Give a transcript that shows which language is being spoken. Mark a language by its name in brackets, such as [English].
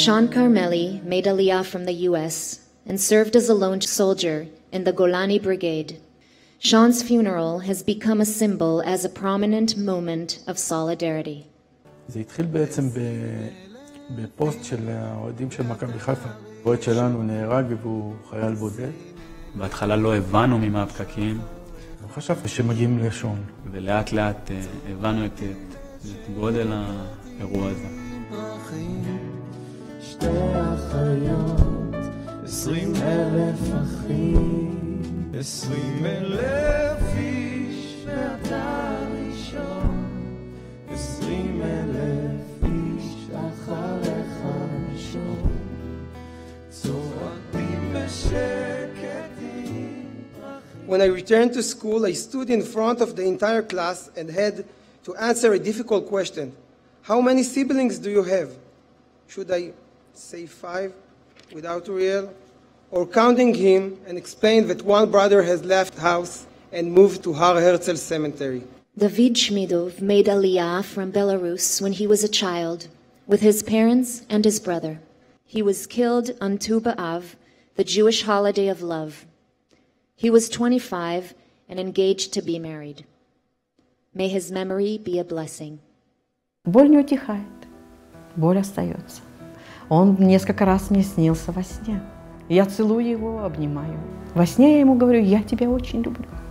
[English] Shan Carmeli made Aliyah from the U.S. and served as a lone soldier in the Golani Brigade. Shan's funeral has become a symbol as a prominent moment of solidarity. [Hebrew] זה התחיל בעצם בפוסט של האוהדים של מכבי חיפה. אוהד שלנו נהרג והוא חייל בודד. בהתחלה לא הבנו ממה הפקקים. לא חשבתי שמגיעים לשון. ולאט לאט הבנו את גודל האירוע הזה. עשרים אלף איש ואתה ראשון, עשרים אלף איש אחריך ראשון, צועדים בשקט עם פרחים. [English] When I returned to school, I stood in front of the entire class and had to answer a difficult question. How many siblings do you have? Should I say five without Uriel? Or counting him and explain that one brother has left house and moved to Har Herzl Cemetery. David Shmidov made Aliyah from Belarus when he was a child, with his parents and his brother. He was killed on Tu B'Av, the Jewish holiday of love. He was 25 and engaged to be married. May his memory be a blessing. [Russian] Боль не утихает, боль остается. Он несколько раз мне снился во сне. Я целую его, обнимаю. Во сне я ему говорю: «Я тебя очень люблю».